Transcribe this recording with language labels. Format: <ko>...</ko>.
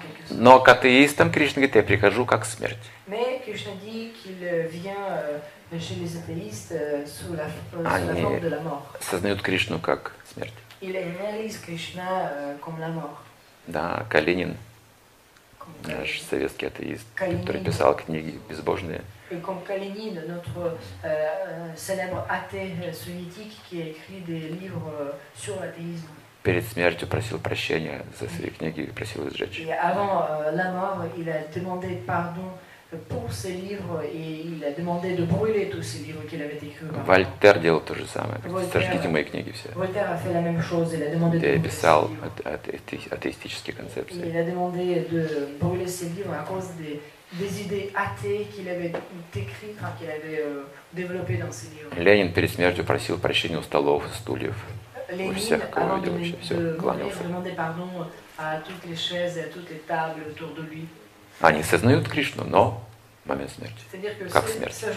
<ru>Но к атеистам Кришна говорит, я прихожу как смерть. Они сознают Кришну как смерть.</ru> <fr>Il réalise Krishna comme la mort.</fr> <ru>Да, Калинин,</ru> <fr>comme</fr> <ru>наш Калинин. Советский атеист, Калинин. Который писал книги безбожные.</ru> <fr>Et comme Калинин, notre célèbre athée soviétique qui a écrit des livres sur l'athéisme.</fr> <ru>Перед смертью просил прощения за свои книги и просил их сжечь.</ru> <fr>Et avant la mort, il a demandé pardon. Pour ses livres et il a demandé de brûler tous ses livres qu'il avait écrits.</fr> <ru>Вольтер делал то же самое. Сожгите мои книги все.</ru> <fr>Вольтер a fait la même chose. Il a demandé de brûler ses livres.</fr> <ru>Я писал атеистические концепции.</ru> <fr>Il a demandé de brûler ses livres à cause des idées athées qu'il avait écrites, qu'il avait développées dans ses livres.</fr> <ru>Ленин перед смертью просил прощения у столов и стульев. Ленин, у всех, кого видел, вообще все кланялся.</ru> <fr>Demandé pardon à toutes les chaises et à toutes les tables autour de lui.</fr> <ru>Они сознают Кришну, но в момент смерти. Как смерть.</ru>